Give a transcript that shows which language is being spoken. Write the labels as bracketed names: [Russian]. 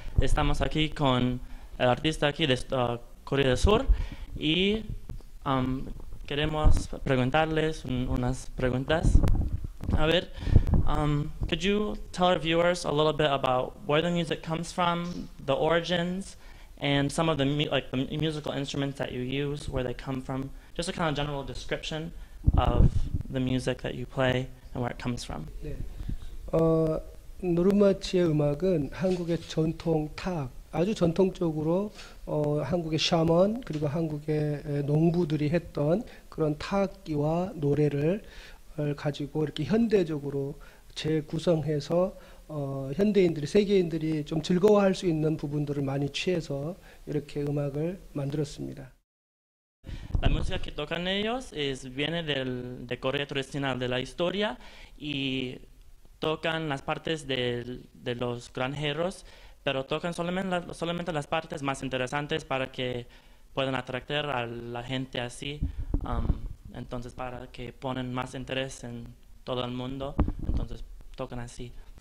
[Spanish] Estamos aquí con el artista aquí de Corea del Sur y queremos preguntarles unas preguntas. A ver, [English] could you tell our viewers a little bit about where the music comes from, the origins, and some of the musical instruments that you use, where they come from? Just a kind of general description of the music that you play and where it comes from. Yeah. [Korean] 노르마치의 음악은 한국의 전통 탁, 아주 전통적으로 한국의 샤먼 그리고 한국의 농부들이 했던 그런 타악기와 노래를 가지고 이렇게 현대적으로 재구성해서 현대인들이 세계인들이 좀 즐거워할 수 있는 부분들을 많이 취해서 이렇게 음악을 만들었습니다. [Spanish] La música que tocan ellos es viene del de Corea tradicional de la historia y tocan las partes de los granjeros, pero tocan solamente las partes más interesantes para que puedan atraer a la gente así, entonces para que ponen más interés en todo el mundo, entonces tocan así.